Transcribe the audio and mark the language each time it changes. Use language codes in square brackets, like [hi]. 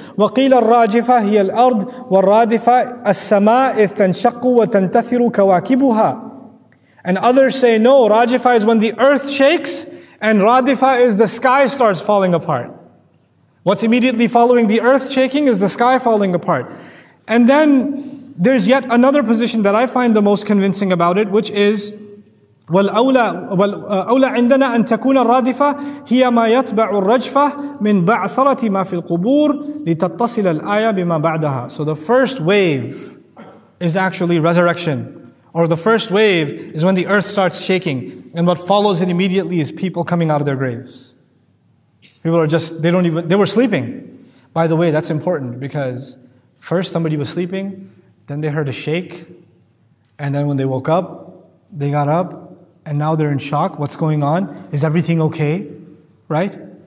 [ar] وَقِيلَ الرَّاجِفَةَ هِيَ الْأَرْضِ وَالرَّادِفَةَ السَّمَاءِ إِذْ تَنْشَقُّ وَتَنْتَثِرُ كَوَاكِبُهَا [en] And others say, no, rajifa is when the earth shakes, and radifa is the sky starts falling apart. What's immediately following the earth shaking is the sky falling apart. And then there's yet another position that I find the most convincing about it, which is [ar] وَالْأَوْلَىٰ عِنْدَنَا أَن تَكُونَ رَادِفَةً هِيَ مَا يَتْبَعُ الرَّجْفَةَ مِنْ بَعْثَرَةِ مَا فِي الْقُبُورِ لِتَتَّصِلَ الْآيَةَ بِمَا بَعْدَهَا. [en] So the first wave is actually resurrection. Or the first wave is when the earth starts shaking. And what follows it immediately is people coming out of their graves. People are just, they were sleeping. By the way, that's important because first somebody was sleeping, then they heard a shake, and then when they woke up, they got up, and now they're in shock. What's going on? Is everything okay? Right?